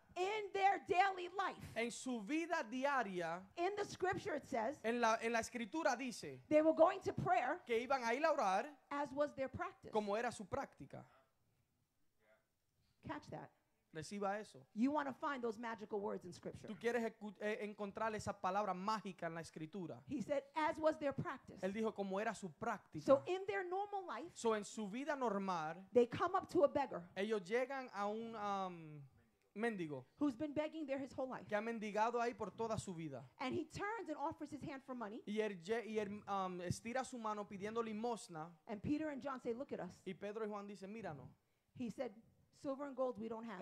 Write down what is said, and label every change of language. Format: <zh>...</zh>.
<en>In their daily life.</en> <es>En su vida diaria.</es> <en>In the scripture it says.</en> <es>En la escritura dice.</es> <en>They were going to prayer.</en> <es>Que iban a ir a orar.</es> <en>As was their practice.</en> <es>Como era su práctica.</es> <en>Catch that.</en> <es>Reciba eso.</es> <en>You want to find those magical words in scripture.</en> <es>Tú quieres encontrar esa palabra mágica en la escritura.</es> <en>He said, as was their practice.</en> <es>Él dijo, como era su práctica.</es> <en>So in their normal life.</en> <es>So en su vida normal.</es> <en>They come up to a beggar.</en> <es>Ellos llegan a un mendigo.</es> <en>Who's been begging there his whole life.</en> <es>Que ha mendigado ahí por toda su vida.</es> <en>And he turns and offers his hand for money.</en> <es>Y él estira su mano pidiendo limosna.</es> <en>And Peter and John say, look at us.</en> <es>Y Pedro y Juan dicen, míranos.</es> <en>He said, silver and gold we don't have.</en>